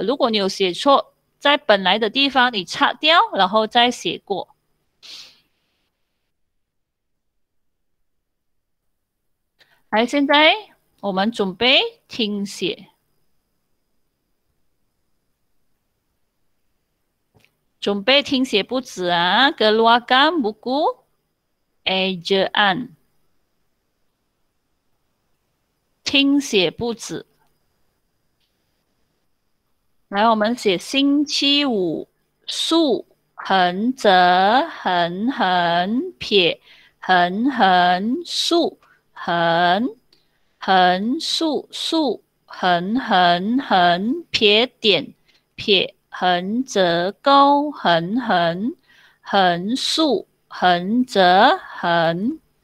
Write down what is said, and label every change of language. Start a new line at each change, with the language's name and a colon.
Chinese: 如果你有写错在本来的地方你擦掉然后再写过。来，现在我们准备听写，准备听写不止啊。
Malay: Keluarkan buku ejaan，
Chinese: 听写不止。来，我们写星期五，竖横折横横撇横横竖。横横竖竖横横横撇点撇横折勾横横横竖横折横。